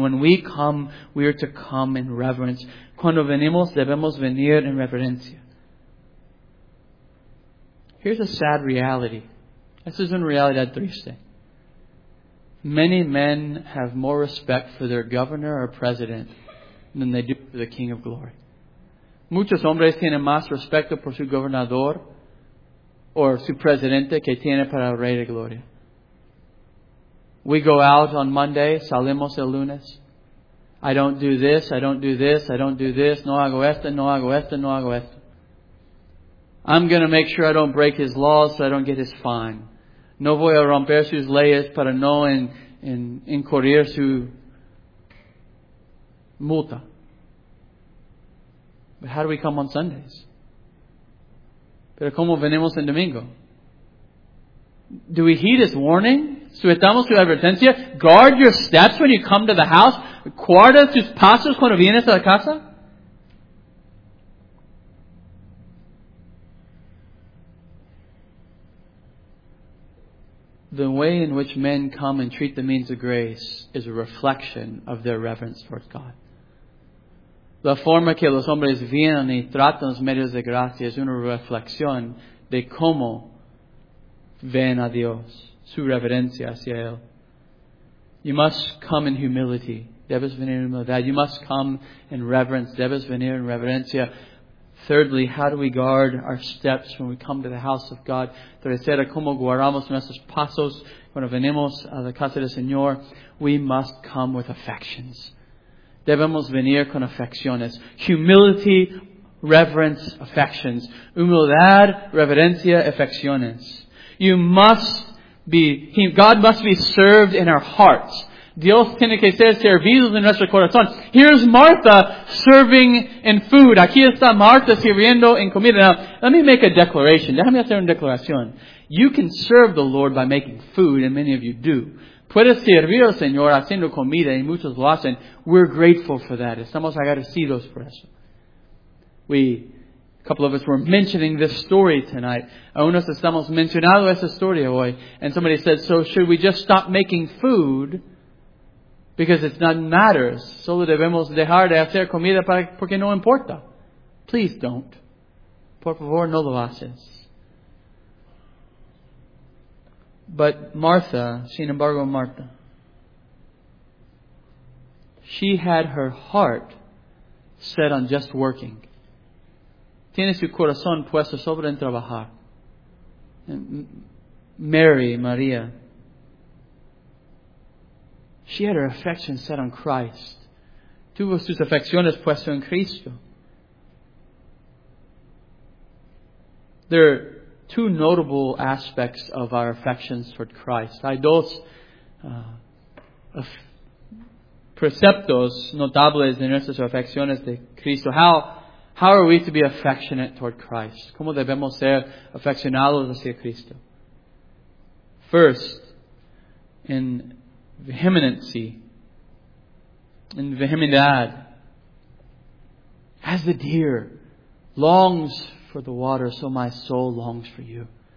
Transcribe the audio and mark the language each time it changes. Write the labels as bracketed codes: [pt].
[en] When we come, we are to come in reverence. [es] Cuando venimos, debemos venir en reverencia. [en] Here's a sad reality. This is [es] una realidad triste. [en] Many men have more respect for their governor or president than they do for the King of Glory. [es] Muchos hombres tienen más respeto por su gobernador or su presidente que tiene para el Rey de Gloria. [en] We go out on Monday, [es] salimos el lunes. [en] I don't do this, I don't do this, I don't do this, [es] no hago esto, no hago esto, [en] no hago esto. I'm going to make sure I don't break his laws so I don't get his fine. [es] No voy a romper sus leyes para no incurrir su multa. [en] But how do we come on Sundays? [es] Pero ¿cómo venimos en domingo? [en] Do we heed his warning? [es] ¿Sujetamos su advertencia? [en] Guard your steps when you come to the house. [es] Guarda tus pasos cuando vienes a la casa. [en] The way in which men come and treat the means of grace is a reflection of their reverence towards God. [es] La forma que los hombres vienen y tratan los medios de gracia es una reflexión de cómo ven a Dios, su reverencia hacia Él. [en] You must come in humility. [es] Debes venir en humildad. [en] You must come in reverence. [es] Debes venir en reverencia. [en] Thirdly, how do we guard our steps when we come to the house of God? [es] Tercera, ¿cómo guardamos nuestros pasos cuando venimos a la casa del Señor? [en] We must come with affections. [es] Debemos venir con afecciones. [en] Humility, reverence, affections. [es] Humildad, reverencia, afecciones. [en] God must be served in our hearts. [es] Dios tiene que ser servido en nuestro corazón. [en] Here's Martha serving in food. [es] Aquí está Martha sirviendo en comida. [en] Now, let me make a declaration. [es] Déjame hacer una declaración. [en] You can serve the Lord by making food, and many of you do. [es] Puedes servir al Señor haciendo comida, y muchos lo hacen. [en] We're grateful for that. [es] Estamos agradecidos por eso. [en] A couple of us were mentioning this story tonight. [es] Unos estamos mencionando esa historia hoy. [en] And somebody said, so should we just stop making food? Because it's not matters. [es] Solo debemos dejar de hacer comida porque no importa. [en] Please don't. [es] Por favor, no lo haces. [en] But Martha, [es] sin embargo, [en] Martha, she had her heart set on just working. [es] Tiene su corazón puesto sobre en trabajar. Mary, María. [en] She had her affection set on Christ. [es] Tuvo sus afecciones puesto en Cristo. [en] There are two notable aspects of our affections toward Christ. [es] Hay dos preceptos notables de nuestras afecciones de Cristo. [en] How are we to be affectionate toward Christ? [es] ¿Cómo debemos ser afeccionados hacia Cristo? [en] First, in vehemency, in vehemidad, as the deer longs for the water, so my soul longs for you.